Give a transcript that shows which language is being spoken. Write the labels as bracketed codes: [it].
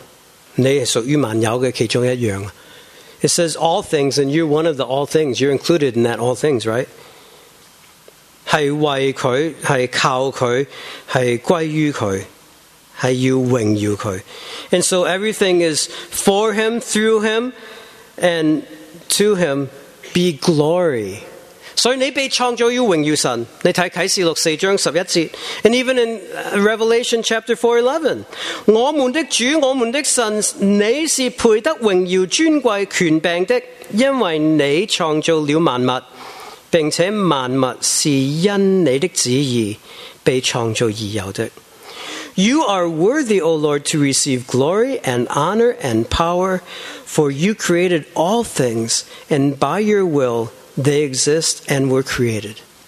[zh] 你属于我，这个是万有，你是属于万有的其中一样。 [en] It says all things, and you're one of the all things. You're included in that all things, right? [zh] 是为他，是靠他，是归于他。 [en] And so everything is for him, through him, and to him be glory. [zh] 所以你被创造于荣耀神, 你看启示录4章11节, [en] and even in Revelation chapter 4:11, [zh] 我们的主,我们的神, 你是配得荣耀尊贵权柄的, 因为你创造了万物, 并且万物是因你的旨意, 被创造而有的。 [en] You are worthy, O Lord, to receive glory and honor and power, for you created all things, and by your will they exist and were created.